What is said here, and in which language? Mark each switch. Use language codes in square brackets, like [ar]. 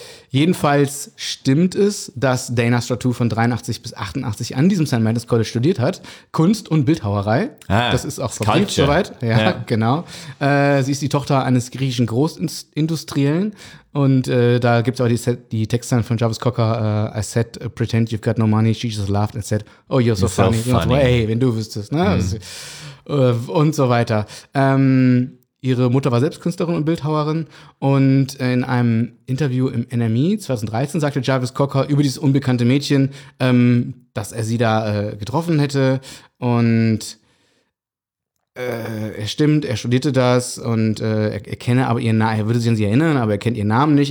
[de] Jedenfalls stimmt es, dass Dana Stratou von 83 bis 88 an diesem St. Martin's College studiert hat. Kunst und Bildhauerei. Das ist auch verbrieft soweit. Ja, genau. Sie ist die Tochter eines griechischen Großindustriellen. Und da gibt es auch die Textzeilen von Jarvis Cocker. [en] I said, pretend you've got no money. She just laughed and said, oh, you're so funny. You're so funny. [de] Hey, wenn du wüsstest. Ne? Und so weiter. Ihre Mutter war selbst Künstlerin und Bildhauerin. Und in einem Interview im NME 2013 sagte Jarvis Cocker über dieses unbekannte Mädchen, dass er sie da getroffen hätte. Und er stimmt, er studierte das und er würde sich an sie erinnern, aber er kennt ihren Namen nicht.